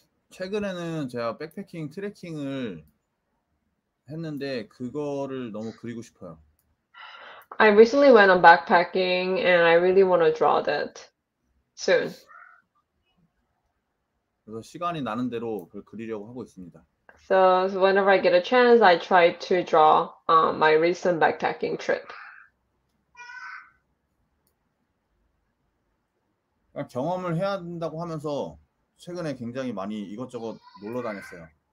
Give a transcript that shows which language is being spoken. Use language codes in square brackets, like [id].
[ko] 최근에는 제가 백패킹 트레킹을 했는데 그거를 너무 그리고 싶어요. [en] I recently went on backpacking and I really want to draw that soon. [ko] 그래서 시간이 나는 대로 그걸 그리려고 하고 있습니다. [en] So whenever I get a chance, I try to draw my recent backpacking trip. [ko] 경험을 해야 된다고 하면서 최근에 굉장히 많이 이것저것 놀러 다녔어요.